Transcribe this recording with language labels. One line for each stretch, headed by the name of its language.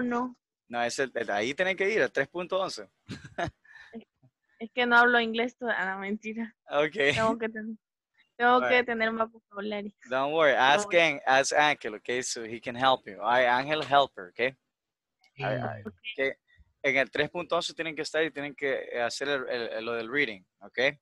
Spanish: No, es el ahí tienen que ir, el 3.11. Es que no hablo inglés toda la mentira. Okay. Tengo que tener más vocabulario.
English: Don't worry. Ask Ángel, okay? So he can help you. All right, Ángel, helper, okay? Okay.
Spanish: En el 3.11 tienen que estar y tienen que hacer el lo del reading, ¿ok?